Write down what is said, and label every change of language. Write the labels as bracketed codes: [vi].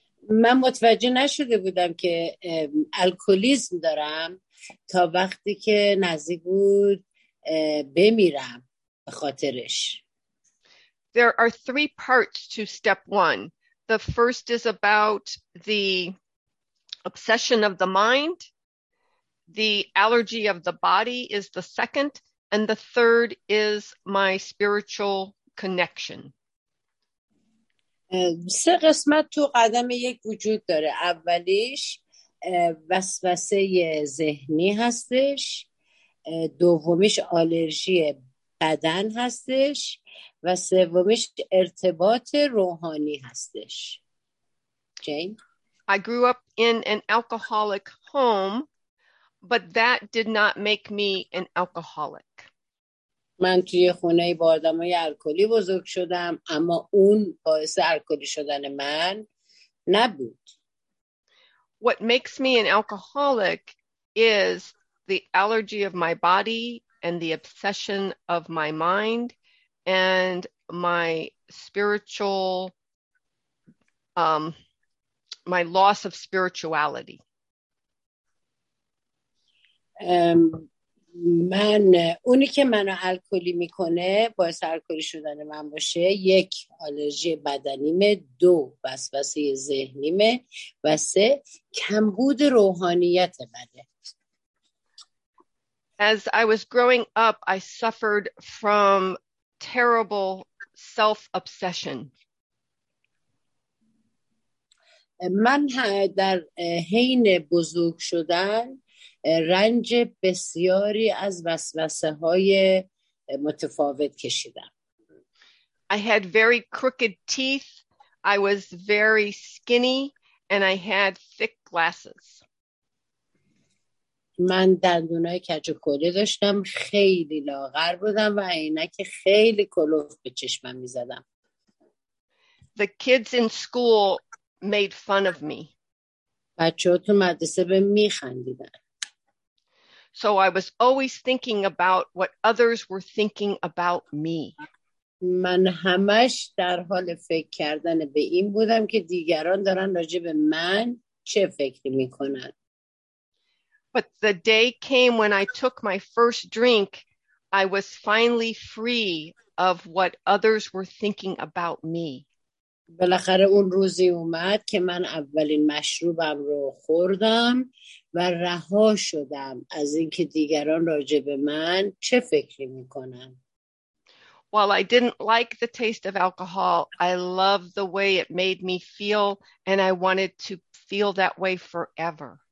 [fa] من متوجه نشده بودم که الکلیسم دارم تا وقتی که نزدیک بود بمیرم به خاطرش. [en] There are three parts to step one. The first is about the obsession of the mind. The allergy of the body is the second. And the third is my spiritual connection. [fa] سه قسمت تو قدم یک وجود داره. اولیش وسوسه ذهنی هستش، دومیش آلرژی بدن هستش و سومیش ارتباط روحانی هستش. جین؟ [en] I grew up in an alcoholic home, but that did not make me an alcoholic. [fa] من توی خونه با آدمای الکلی بزرگ شدم اما اون باعث الکلی شدن من نبود. [en] What makes me an alcoholic is the allergy of my body and the obsession of my mind and my spiritual my loss of spirituality. [fa] من اونی که منو الکلی میکنه باعث الکلی شدن من باشه، یک آلرژی بدنیمه، دو وسوسه ذهنیمه و سه کمبود روحانیت منه. [en] As I was growing up, I suffered from terrible self-obsession. [fa] من در حین بزرگ شدن رنج بسیاری از وسوسه های متفاوت کشیدم. [en] I had very crooked teeth, I was very skinny, and I had thick glasses. [fa] من دندونای کج و کوله داشتم، خیلی لاغر بودم و عینک خیلی کلوف به چشمم می‌زدم. [en] The kids in school made fun of me. [fa] بچه‌ها تو مدرسه به می خندیدن. [en] So I was always thinking about what others were thinking about me. [fa] من همش در حال فکر کردن به این بودم که دیگران دارن راجع به من چه فکر میکنن. [en] But the day came when I took my first drink, I was finally free of what others were thinking about me. [fa] بالاخره اون روزی اومد که من اولین مشروبم رو خوردم و رها شدم از اینکه دیگران راجع به من چه فکری میکنن. [en] While I didn't like the taste of alcohol, I loved the way it made me feel, and I wanted to feel that way forever.